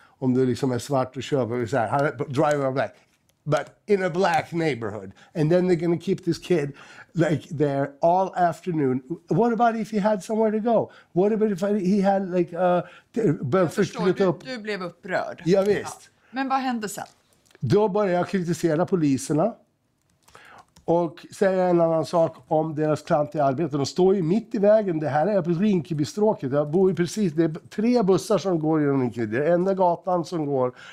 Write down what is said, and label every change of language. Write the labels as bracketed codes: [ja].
[sv] Om du liksom är svart och kör på det så här, [en] driving while black, but in a black neighborhood. And then they're gonna keep this kid like there all afternoon. What about if he had somewhere to go? What about if he had like... [sv] Jag förstår, du blev upprörd. Ja, visst. Men vad hände sen? Då börjar jag kritisera poliserna. Och säger en annan sak om deras klantiga arbete. De står ju mitt i vägen. Det här är på Rinkebystråket. Jag bor ju precis. Det är tre bussar som går genom Rinkeby. Det är enda gatan som går.